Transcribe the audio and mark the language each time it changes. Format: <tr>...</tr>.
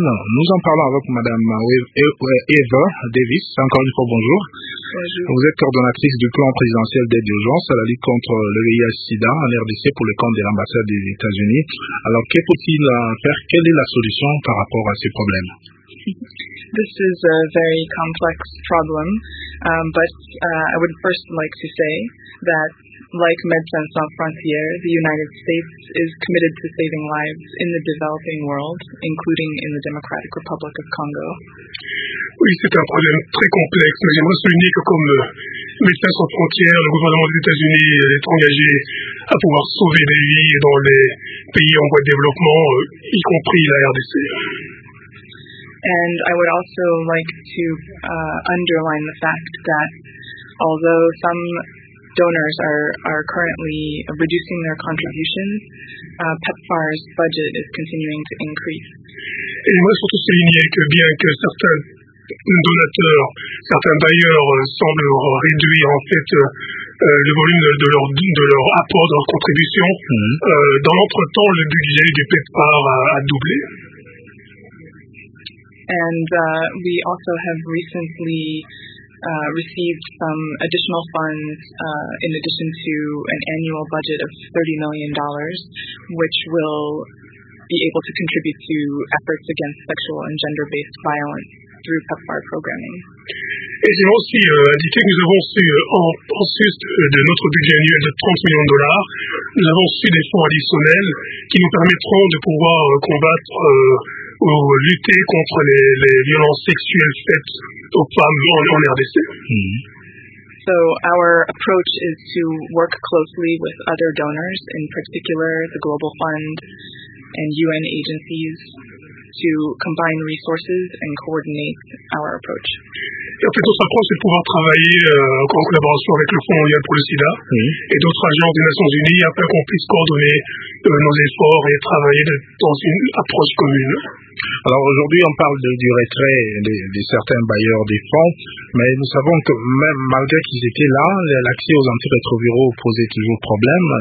<fr>Nous en parlons avec Mme Eva Davis. Encore une fois, bonjour. Bonjour. Vous êtes coordonnatrice du plan présidentiel d'aide d'urgence à la lutte contre le VIH-Sida en RDC pour le compte de l'ambassade des États-Unis. Alors, que faut-il faire? Quelle est la solution par rapport à ces problèmes?</fr> <en>This is a very complex problem, but I would first like to say that, like Médecins Sans Frontières, the United States is committed to saving lives in the developing world, including in the Democratic Republic of Congo.</en> <fr>Oui, c'est un problème très complexe, mais j'aimerais souligner que comme Médecins Sans Frontières, le gouvernement des États-Unis est engagé à pouvoir sauver des vies dans les pays en voie de développement, y compris la RDC.</fr> <en>And I would also like to underline the fact that although some donors are currently reducing their contributions, PEPFAR's budget is continuing to increase.</en> <fr>Et moi, surtout souligner que bien que certains donateurs, certains bailleurs semblent réduire en fait le volume de leur apport, de leur contribution, dans l'entretemps, le budget du PEPFAR a doublé.</fr> <en>And we also have recently received some additional funds in addition to an annual budget of $30 million, which will be able to contribute to efforts against sexual and gender-based violence through PEPFAR programming.</en> <fr>Et j'ai aussi indiqué que nous avons su, en sus de notre budget annuel de $30 million, nous avons su des fonds additionnels qui nous permettront de pouvoir combattre ou lutter contre les violences sexuelles faites aux femmes en RDC.</fr> <en>So our approach is to work closely with other donors, in particular the Global Fund and UN agencies, to combine resources and coordinate our approach.</en> <fr>Et en fait, notre approche est de pouvoir travailler en collaboration avec le Fonds mondial pour le SIDA et d'autres agences des Nations Unies afin qu'on puisse coordonner nos efforts et travailler dans une approche commune. Alors aujourd'hui, on parle du retrait de certains bailleurs des fonds, mais nous savons que même malgré qu'ils étaient là, l'accès aux antirétroviraux posait toujours problème.</fr>